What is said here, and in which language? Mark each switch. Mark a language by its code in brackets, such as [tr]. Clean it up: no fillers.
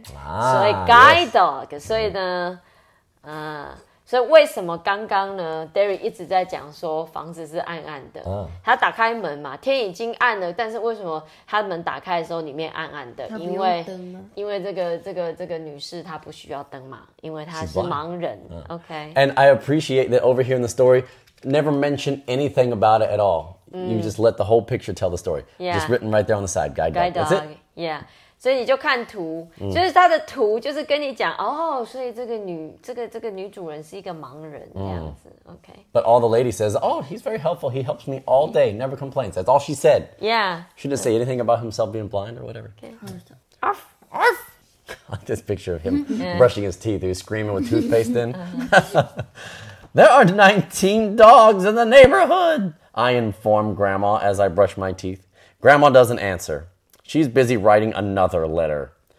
[zh] 所以 guide dog, 所以呢，所以为什么刚刚呢 ？Derry 一直在讲说房子是暗暗的。他打开门嘛，天已经暗了，但是为什么他门打开的时候里面暗暗的？因为这个女士她不需要灯嘛，因为她是盲人。 [en] OK。 And I appreciate that over here in the story, never mention anything about it at all.、Mm. You just let the whole picture tell the story.、 Yeah. Just written right there on the side, guide dog. That's it. Yeah. [zh] 所以你就看图、嗯、就是他的图就是跟你讲哦所以这个女主人是一个盲人、嗯、这样子 OK [en] But all the lady says Oh he's very helpful He helps me all day Never complains That's all she said Yeah She didn't say anything about himself being blind or whatever Okay Arf Arf Like this picture of him、yeah. brushing his teeth He's screaming with toothpaste in There are 19 dogs in the neighborhood I inform grandma as I brush my teeth Grandma doesn't answerShe's busy writing another letter.